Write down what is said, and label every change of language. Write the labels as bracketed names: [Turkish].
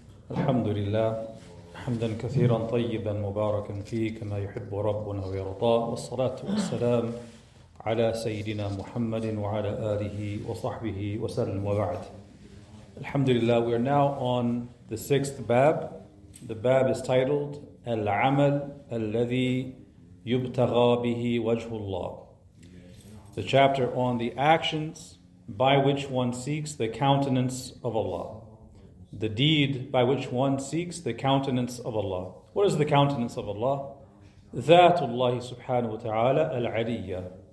[Arabic] الحمد لله حمدا كثيرا طيبا مباركا فيه كما يحب ربنا ويرضى، والصلاة والسلام على سيدنا محمد وعلى آله وصحبه وسلم وبعد. الحمد لله. [English] We are now on the sixth bab. The bab is titled [Arabic] العمل الذي يبتغى به وجه الله. [English] The chapter on the actions by which one seeks the countenance of Allah. The deed by which one seeks the countenance of Allah. What is the countenance of Allah? ذاتullah subhanahu wa ta'ala al-'aliyyah.